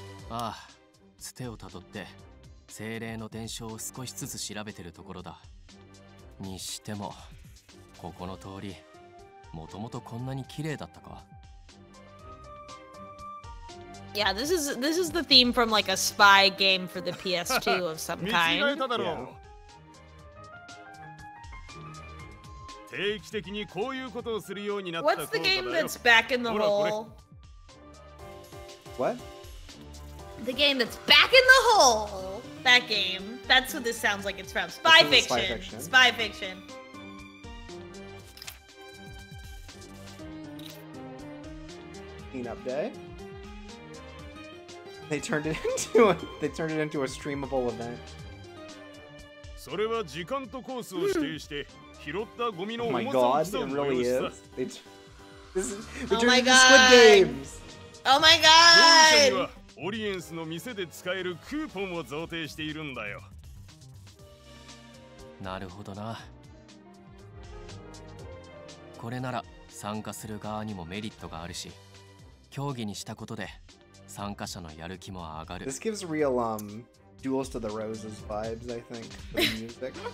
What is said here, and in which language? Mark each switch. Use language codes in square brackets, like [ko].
[ja] ああ、つてをたどって精霊の伝承を少しずつ調べてるところだ。にしてもここの通りもともとこんなに綺麗だったか。 [en] Yeah, this is the theme from like a spy game for the PS2 of some kind. [ja] 見違えただろう。定期的にこういうことをするようになった。 [en] What's the game that's back in the hole? What? The game that's back in the hole! That game. That's what this sounds like it's from. Spy fiction. Spy fiction. Clean up day. They turned it into a, they turned it into a streamable event. [ja] それは時間とコースを指定して拾ったゴミの重さを競う。 [en] Oh my god, it really is. They turned it into Squid Games. Oh my god. [ja] オリエンスの店で使えるクーポンを贈呈しているんだよ。なるほどな。これなら参加する側にもメリットがあるし、競技にしたことで参加者のやる気も上がる。 [en] This gives real, Duels to the Roses vibes, I think, the music.